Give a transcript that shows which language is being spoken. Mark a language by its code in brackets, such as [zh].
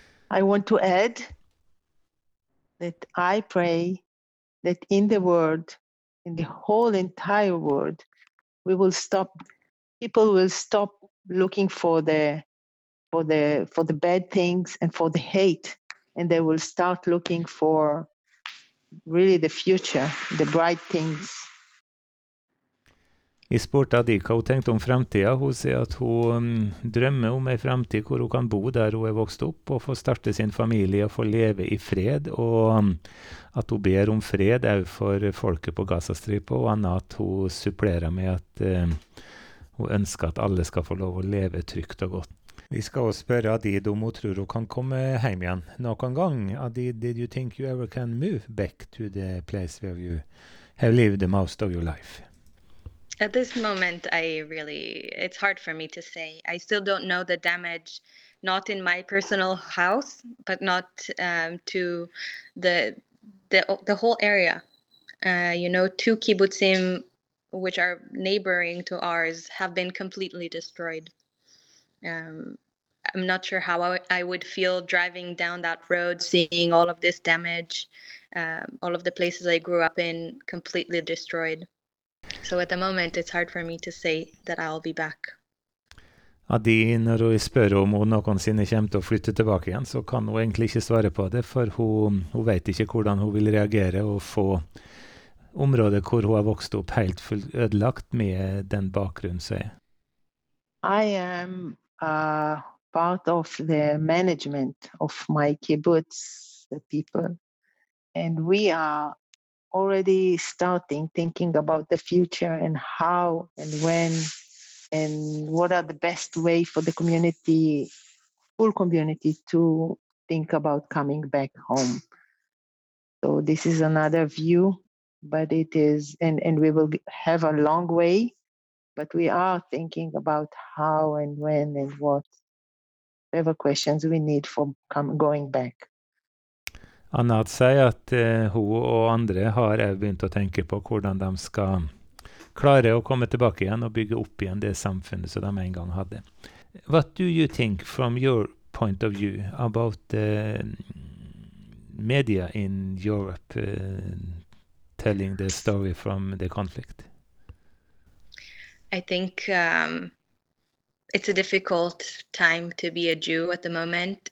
[en] I want to add that I pray that in the world, in the whole entire world, we will stop, people will stop looking for the bad things and for the hate, and they will start looking for really the future, the bright things. [no] Jeg spurte Adika, hun tenkte om fremtiden. Hun sier at hun drømmer om en fremtid hvor hun kan bo der hun vokst opp og få starte sin familie og få leve i fred, og at hun ber om fred er for folket på Gazastripet, og annet at hun supplerer med at hun ønsker at alle skal få lov å leve trygt og godt. Vi skal også spørre Adid om hun tror hun kan komme hjem igjen noen gang. [en] Adid, did you think you ever can move back to the place where you have lived the most of your life? At this moment, it's hard for me to say. I still don't know the damage, not in my personal house, but not to the whole area. You know, two kibbutzim, which are neighboring to ours, have been completely destroyed. I'm not sure how I would feel driving down that road, seeing all of this damage, all of the places I grew up in completely destroyed. So at the moment, it's hard for me to say that I'll be back. [no] Adi, når hun spør om hun noensinne kommer til å flytte tilbake igjen, så kan hun egentlig ikke svare på det, for hun vet ikke hvordan hun vil reagere og få området hvor hun har vokst opp helt ødelagt med den bakgrunnen seg. [en] I am part of the management of my kibbutz, the people, and we are already starting thinking about the future and how and when and what are the best way for the community, full community, to think about coming back home. So this is another view, but it is, and we will have a long way, but we are thinking about how and when and what, whatever questions we need for going back. [no] Anat sier at hun og andre har begynt å tenke på hvordan de skal klare å komme tilbake igjen og bygge opp igjen det samfunnet som de en gang hadde. [en] What do you think from your point of view about the media in Europe telling the story from the conflict? I think it's a difficult time to be a Jew at the moment.